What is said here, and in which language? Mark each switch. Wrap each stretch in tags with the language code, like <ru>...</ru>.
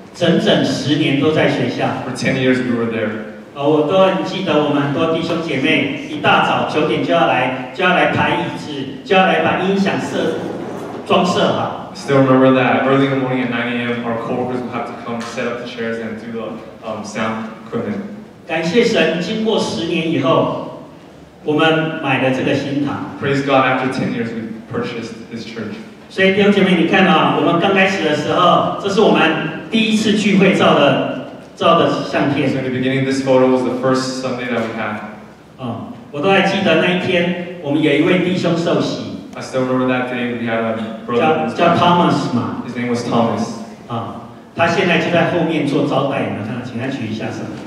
<zh>整整十年都在学校。</zh> <en>For 10 years we were there.</en> <zh>我都很记得我们很多弟兄姐妹一大早九点就要来排椅子，就要来把音响设装设好。</zh> <en>Still remember that early in the morning at 9 a.m. our coworkers would have to come set up the chairs and do the sound equipment.</en> <zh>感谢神，经过十年以后，我们买了这个新堂。</zh> <en>Praise God, after 10 years we purchased this church.</en> <zh>所以弟兄姐妹，你看啊，我们刚开始的时候，这是我们第一次聚会照的相片。</zh> <en>So in the beginning, this photo was the first Sunday that we had.</en> <zh>我都还记得那一天，我们有一位弟兄受洗。</zh> <en>I still remember that day we had a brother.</en> <zh>叫 Thomas 嘛。</zh> <en>His name was Thomas.</en> <zh>他现在就在后面做招待员，看，请他举一下手。</zh>